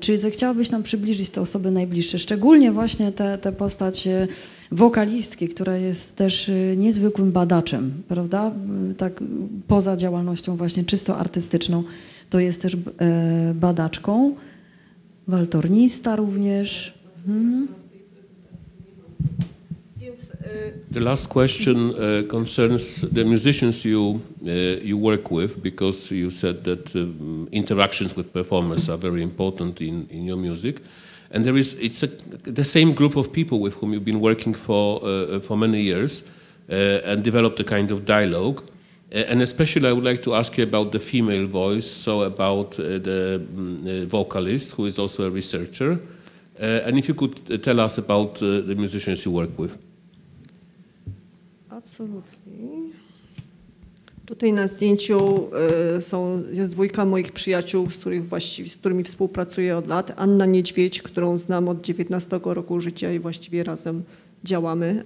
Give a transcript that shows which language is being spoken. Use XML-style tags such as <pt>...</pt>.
<pl>Czy zechciałabyś nam przybliżyć te osoby najbliższe, szczególnie właśnie te postacie wokalistki, która jest też niezwykłym badaczem, prawda? Tak poza działalnością właśnie czysto artystyczną, to jest też badaczką, waltornista również.</pl> <en>The last question concerns the musicians you work with, because you said that interactions with performers are very important in your music, and it's the same group of people with whom you've been working for many years and developed a kind of dialogue. And especially I would like to ask you about the female voice, so about the vocalist who is also a researcher, and if you could tell us about the musicians you work with.</en> <pl>Absolutnie. Tutaj na zdjęciu jest dwójka moich przyjaciół, z którymi współpracuję od lat. Anna Niedźwiedź, którą znam od 19 roku życia i właściwie razem działamy.</pl>